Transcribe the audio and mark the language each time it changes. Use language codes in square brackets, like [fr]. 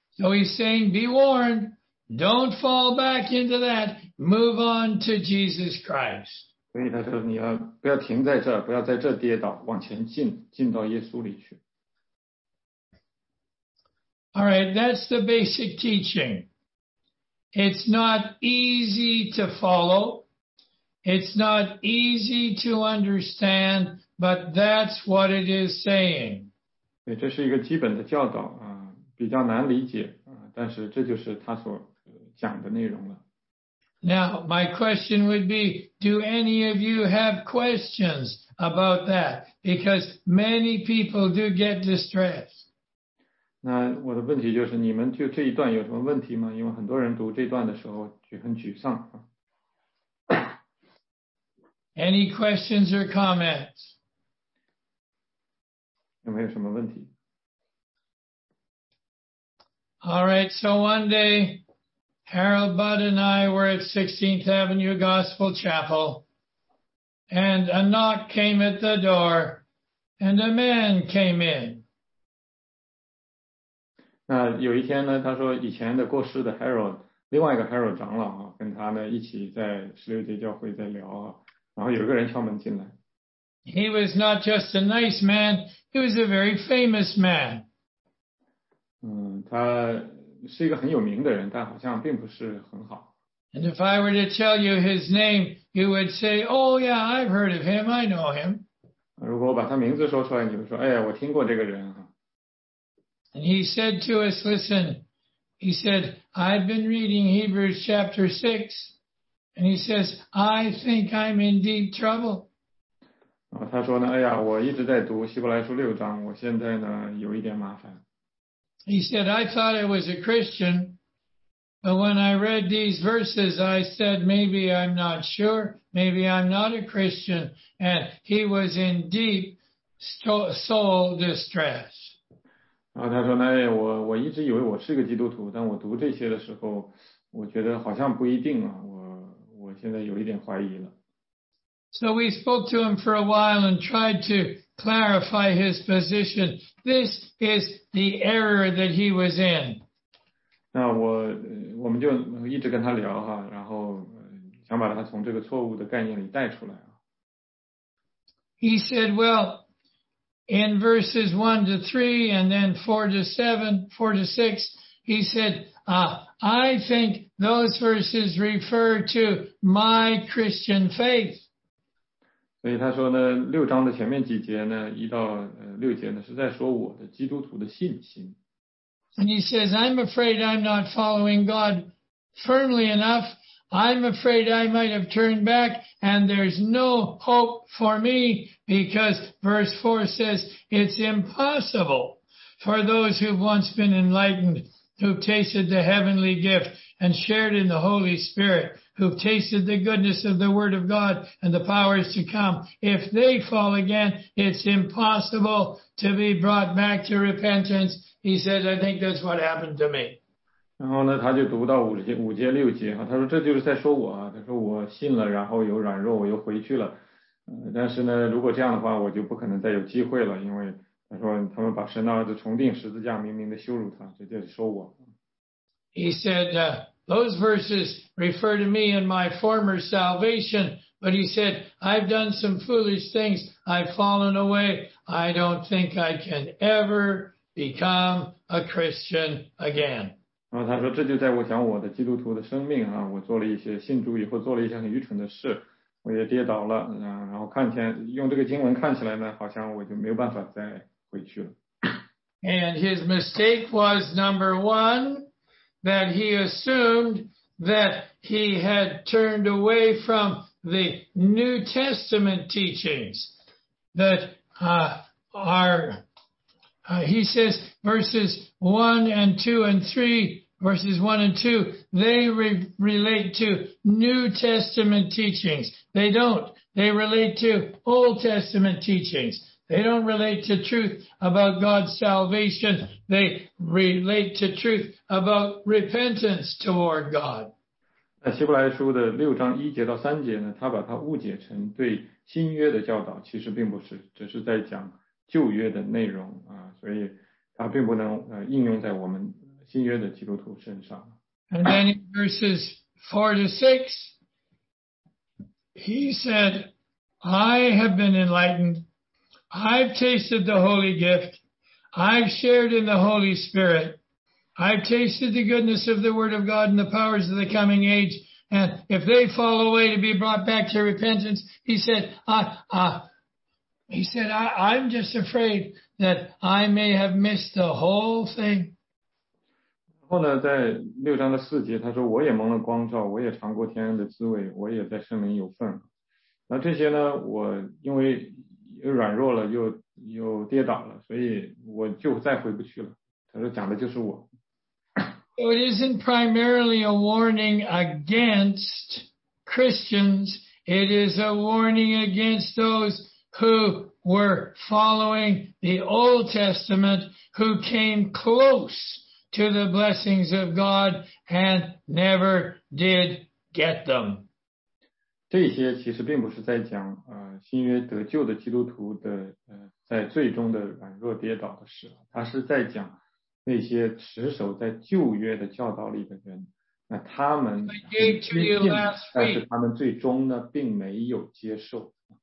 [en] So he's saying, be warned, don't fall back into that, move on to Jesus Christ. [zh] 所以他说你要不要停在这儿，不要在这跌倒，往前进，进到耶稣里去。 [en] All right, that's the basic teaching. It's not easy to follow. It's not easy to understand. But that's what it is saying. [zh] 对，这是一个基本的教导啊，比较难理解啊，但是这就是他所讲的内容了。 [en] Now, my question would be, do any of you have questions about that? Because many people do get distressed. [zh] 那我的问题就是，你们就这一段有什么问题吗？因为很多人读这段的时候就很沮丧啊。 [en] Any questions or comments? [zh] 有没有什么问题? [en] All right, so one day, Harold Budd and I were at 16th Avenue Gospel Chapel, and a knock came at the door, and a man came in. [zh] 那有一天呢，他说以前的过世的 Harold, 另外一个 Harold 长老啊，跟他呢一起在十六节教会在聊啊，然后有一个人敲门进来。 [en] He was not just a nice man, he was a very famous man. [zh] 他是一个很有名的人，但好像并不是很好。 [en] And if I were to tell you his name, you would say, oh yeah, I've heard of him, I know him. [zh] 如果我把他名字说出来，你会说，哎呀，我听过这个人啊。 [en] And he said to us, listen, he said, I've been reading Hebrews chapter 6, and he says, I think I'm in deep trouble. [zh] 他说呢，哎呀，我一直在读希伯来书六章，我现在呢有一点麻烦。 [en] He said, I thought I was a Christian, but when I read these verses, I said, maybe I'm not sure, maybe I'm not a Christian. And he was in deep soul distress. [zh] 他说我一直以为我是个基督徒，但我读这些的时候，我觉得好像不一定啊，我现在有一点怀疑了。 [en] So we spoke to him for a while and tried to clarify his position. This is the error that he was in. [zh] 那我们就一直跟他聊哈，然后想把他从这个错误的概念里带出来。 [en] He said, well, in verses 1 to 3 and then 4 to 7, 4 to 6, he said, I think those verses refer to my Christian faith. [zh] 所以他说呢，六章的前面几节呢，一到六节呢，是在说我的基督徒的信心。 [en] And he says, I'm afraid I'm not following God firmly enough. I'm afraid I might have turned back and there's no hope for me because verse 4 says it's impossible for those who've once been enlightened, who've tasted the heavenly gift and shared in the Holy Spirit, who've tasted the goodness of the word of God and the powers to come. If they fall again, it's impossible to be brought back to repentance. He said, I think that's what happened to me. [zh] 然后呢，他就读到五节六节哈，他说这就是在说我啊，他说我信了，然后有软弱，我又回去了，但是呢，如果这样的话，我就不可能再有机会了，因为他说他们把神的儿子重钉十字架，明明的羞辱他，这就是说我。 [en] He said, those verses refer to me and my former salvation, but he said, I've done some foolish things, I've fallen away, I don't think I can ever become a Christian again. [zh] 然后他说这就在我想我的基督徒的生命啊，我做了一些信主以后做了一些很愚蠢的事，我也跌倒了，然后看起来用这个经文看起来呢，好像我就没有办法再回去了。 [en] And his mistake was number one, that he assumed that he had turned away from the New Testament teachings that areHe says verses 1 and 2 and 3, verses 1 and 2, they relate to New Testament teachings. They don't. They relate to Old Testament teachings. They don't relate to truth about God's salvation. They relate to truth about repentance toward God. [zh] 在希伯来书的六章一节到三节呢，他把它误解成对新约的教导，其实并不是，只是在讲旧约的内容啊。所以它并不能应用在我们新约的基督徒身上。 [en] And then in verses 4 to 6, he said, I have been enlightened. I've tasted the holy gift. I've shared in the Holy Spirit. I've tasted the goodness of the word of God and the powers of the coming age. And if they fall away to be brought back to repentance, he said, I'm just afraid that I may have missed the whole thing. [zh] 然后呢，在六章的四节，他说：“我也蒙了光照，我也尝过天恩的滋味，我也在圣灵有份。” 那这些呢，我因为软弱了，又跌倒了，所以我就再回不去了。他说：“讲的就是我。” [en] So it isn't primarily a warning against Christians. It is a warning against those who were following the Old Testament, who came close to the blessings of God and never did get them. [zh] 这些其实并不是在讲新约得救的基督徒的在最终的软弱跌倒的事，他是在讲那些持守在旧约的教导里的人，那他们很接近，但是他们最终呢并没有接受。